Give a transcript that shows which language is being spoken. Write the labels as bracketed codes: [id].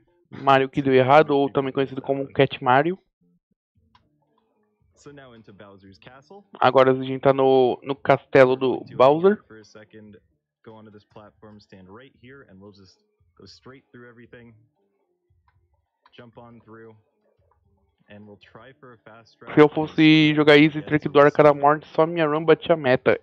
[pt] Mario que deu errado, ou também conhecido como Cat Mario. [en] So now into Bowser's castle. [pt] Agora a gente tá no castelo do Bowser. [en] For a second, go onto this platform, stand right here, and we'll just go straight through everything. Jump on through. And we'll try for a fast track. [pt] Se eu fosse jogar Easy Trick do Arca da Morte, só minha run batia a meta.